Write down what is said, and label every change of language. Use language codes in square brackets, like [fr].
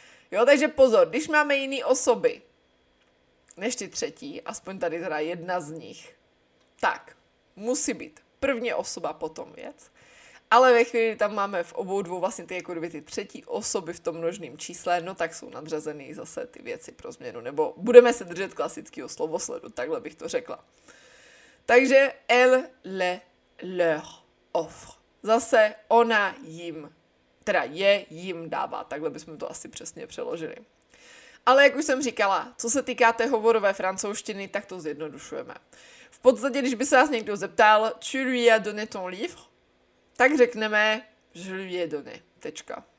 [cs] Jo, takže pozor, když máme jiný osoby, než ty třetí, aspoň tady teda jedna z nich, tak musí být první osoba, potom věc. Ale ve chvíli, kdy tam máme v obou dvou vlastně ty, jako kdyby ty třetí osoby v tom množném čísle, no tak jsou nadřazeny zase ty věci pro změnu. Nebo budeme se držet klasického slovosledu, takhle bych to řekla. [fr] Takže elle le leur offre. [cs] Zase ona jim teda je, jim dává. Takhle bychom to asi přesně přeložili. Ale jak už jsem říkala, co se týká té hovorové francouzštiny, tak to zjednodušujeme. V podstatě, když by se vás někdo zeptal, [fr] tu lui as donné ton livre, [cs] tak řekneme, [fr] je lui ai donné, [cs] tečka.